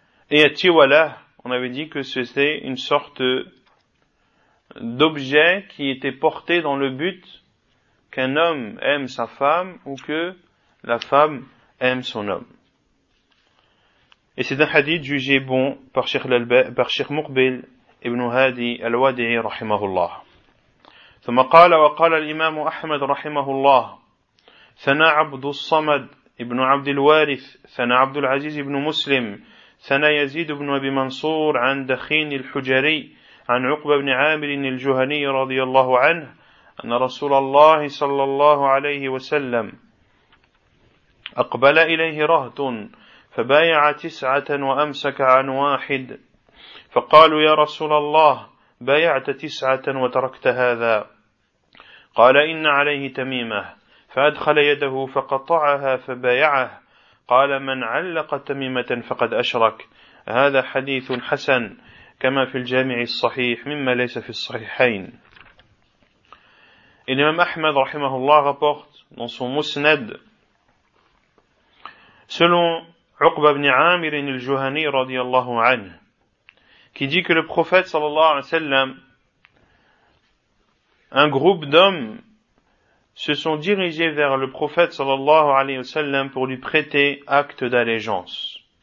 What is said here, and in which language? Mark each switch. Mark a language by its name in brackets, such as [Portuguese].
[French] Et à Tiwala, on avait dit que c'était une sorte d'objet qui était porté dans le but qu'un homme aime sa femme ou que la femme aime son homme. Et c'est un hadith jugé bon par Cheikh l'Albani, par Cheikh Muqbil ibn Hadi al-Wadi'i rahimahullah. [Arabic] ثم قال وقال الإمام أحمد رحمه الله ثنى عبد الصمد ابن عبد الوارث ثنى عبد العزيز ابن مسلم ثنى يزيد بن أبي منصور عن دخين الحجري عن عقبة بن عامر الجهني رضي الله عنه أن رسول الله صلى الله عليه وسلم أقبل إليه رهط فبايع تسعة وأمسك عن واحد فقالوا يا رسول الله بايعت تسعة وتركت هذا قال إن عليه تميمة فأدخل يده فقطعها فبايعه قال من علق تميمة فقد أشرك هذا حديث حسن كما في الجامع الصحيح مما ليس في الصحيحين. الإمام أحمد رحمه الله [French] rapporte dans son musnad selon [Arabic] عقبة بن عامر الجهني رضي الله عنه [French] qui dit que le prophète sallallahu alayhi wa sallam, un groupe d'hommes se sont dirigés vers le prophète sallallahu alayhi wa sallam pour lui prêter acte d'allégeance.